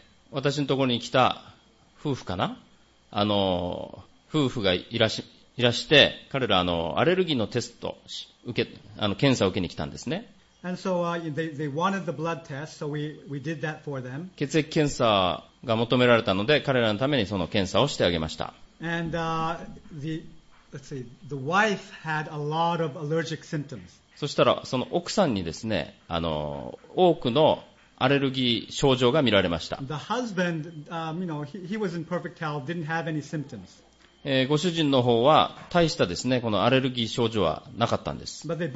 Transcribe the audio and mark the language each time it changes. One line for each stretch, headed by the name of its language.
Japanese: 私のところに来た夫婦かな？夫婦がいらして、彼らアレルギーのテスト検査を受けに来たんですね。
English: And so, they wanted the blood test, so we did that for them.
Japanese: 血液検査が求められたので、彼らのためにその検査をしてあげました。
English: And, the wife had a lot of allergic symptoms.
Japanese: そしたら、その奥さんにですね、多くのアレルギー症状が見られました。
English: The husband, he was in perfect health, didn't have any symptoms.
Japanese: ご主人の方は大したですね、このアレルギー症状はなかったんです。